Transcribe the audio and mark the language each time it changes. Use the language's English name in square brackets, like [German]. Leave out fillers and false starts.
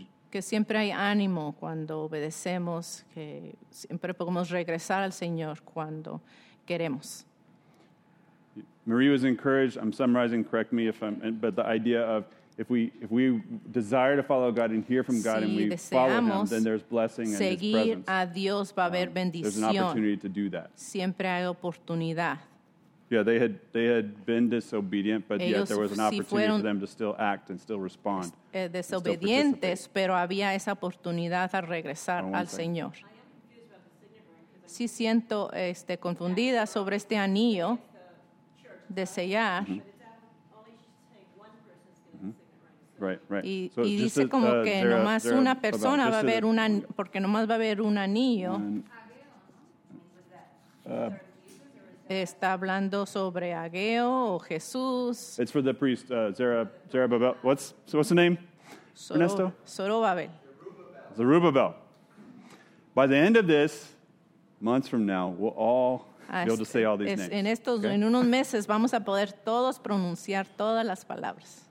[Spanish] Que siempre hay ánimo cuando obedecemos, que siempre podemos regresar al Señor cuando queremos. [English] Marie was encouraged. I'm summarizing, correct me if I'm, but the idea of if we desire to follow God and hear from God and we follow Him, then there's blessing and His presence. [Spanish] Seguir a Dios va a haber bendición. [English] There's an opportunity to do that. [Spanish] Siempre hay oportunidad. [English] Yeah, they had been disobedient, but yet there was an opportunity for them to still act and still respond. [Spanish] Desobedientes, pero había esa oportunidad a regresar al Señor. Sí siento confundida sobre este anillo de sellar. [English] Right, right. [Spanish] Y dice como que nomás una persona va a haber una, porque nomás va a haber un anillo. Está hablando sobre Ageo o Jesús. [English] It's for the priest, Zerubbabel. What's the name, Ernesto? Zerubbabel. Zerubbabel. By the end of this, months from now, we'll all be able to say all these names. [Spanish] En estos, okay? En unos meses vamos a poder todos pronunciar todas las palabras.